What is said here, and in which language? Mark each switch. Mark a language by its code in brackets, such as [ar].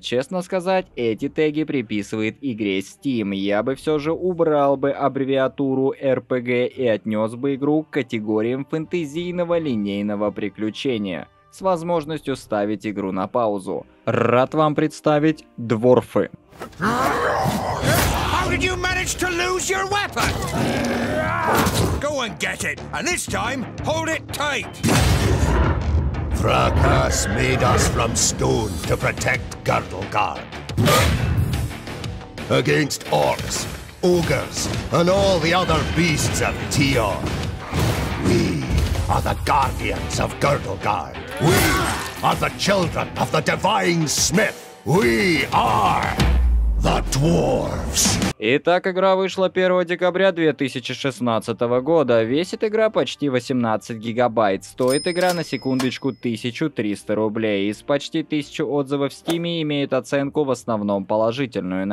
[ru] Честно сказать, эти теги приписывает игре Steam. Я бы все же убрал бы аббревиатуру RPG и отнес бы игру к категориям фэнтезийного линейного приключения, с возможностью ставить игру на паузу. Рад вам представить дворфы. [en] Did you manage to lose your weapon? Go and get it, and this time, hold it tight! Thrakas made us from stone to protect Girdlegard. Against orcs, ogres, and all the other beasts of Teon. We are the guardians of Girdlegard. We are the children of the Divine Smith. We are the Dwarves. [ru] Итак, игра вышла 1 декабря 2016 года. Весит игра почти 18 гигабайт. Стоит игра на секундочку 1300 рублей. Из почти 1000 отзывов в Steam имеет оценку в основном положительную.